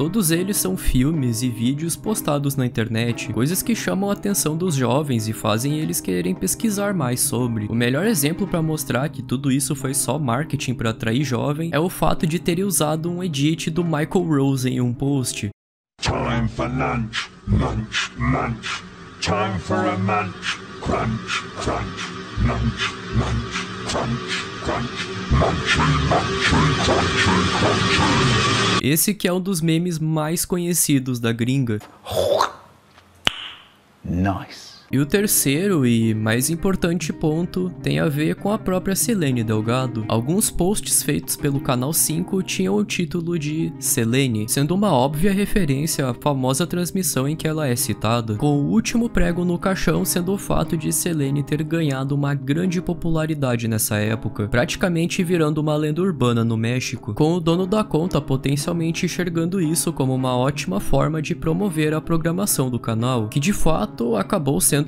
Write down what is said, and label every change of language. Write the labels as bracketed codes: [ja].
[pt] Todos eles são filmes e vídeos postados na internet, coisas que chamam a atenção dos jovens e fazem eles quererem pesquisar mais sobre. O melhor exemplo para mostrar que tudo isso foi só marketing para atrair jovem é o fato de ter usado um edit do Michael Rose em um post. [en] Time for lunch, lunch, lunch. Time for a munch, crunch, crunch, lunch, lunch, crunch. [pt] Esse que é um dos memes mais conhecidos da gringa. Nice. E o terceiro e mais importante ponto tem a ver com a própria Selene Delgado. Alguns posts feitos pelo Canal 5 tinham o título de Selene, sendo uma óbvia referência à famosa transmissão em que ela é citada, com o último prego no caixão sendo o fato de Selene ter ganhado uma grande popularidade nessa época, praticamente virando uma lenda urbana no México, com o dono da conta potencialmente enxergando isso como uma ótima forma de promover a programação do canal, que de fato acabou sendo